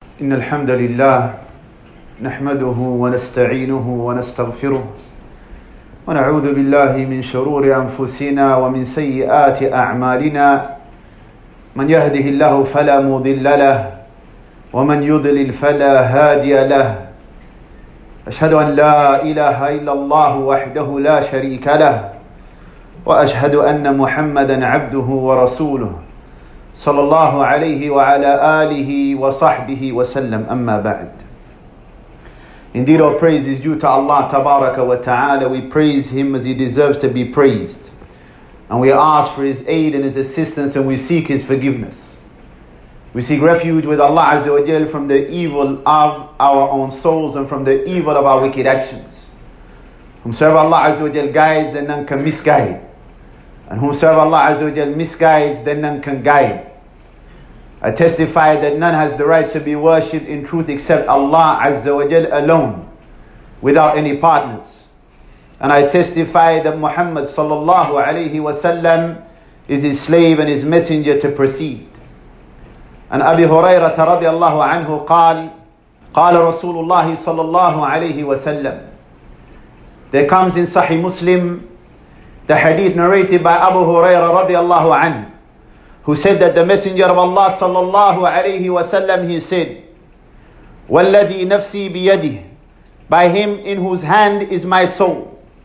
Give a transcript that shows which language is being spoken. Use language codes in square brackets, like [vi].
[ar] إن الحمد لله نحمده ونستعينه ونستغفره ونعوذ بالله من شرور أنفسنا ومن سيئات أعمالنا من يهده الله فلا مضل له ومن يضلل فلا هادي له أشهد أن لا إله إلا الله وحده لا شريك له وأشهد أن محمدًا عبده ورسوله صلى الله عليه وعلى آله وصحبه وسلم أما بعد. [en] Indeed, all praise is due to Allah Tabaraka wa Ta'ala. We praise Him as He deserves to be praised. And we ask for His aid and His assistance and we seek His forgiveness. We seek refuge with Allah Azza wa Jal from the evil of our own souls and from the evil of our wicked actions. Whomsoever Allah Azza wa Jal guides, then none can misguide. And whomsoever Allah Azza wa Jal misguides, then none can guide. I testify that none has the right to be worshipped in truth except Allah Azza wa Jal alone, without any partners. And I testify that Muhammad sallallahu alayhi wa sallam is his slave and his messenger to proceed. [ar] And Abi Hurairah radiallahu anhu قال رسول الله صلى الله عليه وسلم. [en] There comes in Sahih Muslim the hadith narrated by Abu Hurairah radiallahu anhu, who said that the Messenger of Allah sallallahu alayhi wa sallam, he said, [ar] وَالَّذِي نَفْسِي بِيَدِهِ, [en] by him in whose hand is my soul.